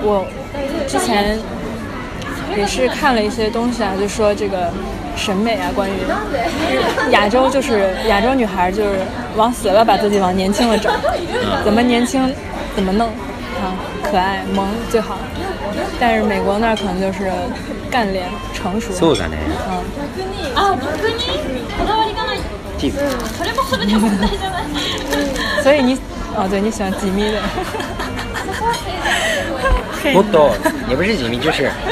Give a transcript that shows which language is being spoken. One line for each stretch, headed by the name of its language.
Chinese: 我之前也是看了一些东西啊，就说这个。审美啊，关于亚洲，就是亚洲女孩就是往死了把自己往年轻了整，怎么年轻怎么弄啊，可爱萌最好。但是美国那可能就是干练成熟。
Japanese: そうだね。
Chinese: 嗯。
Japanese: あ、逆にこだわりがない。ジム。それもそれでも問題じゃない。
Chinese: 所以你哦，对，你喜欢吉米的。
Japanese: もっと
Chinese: 也不是吉米，就是。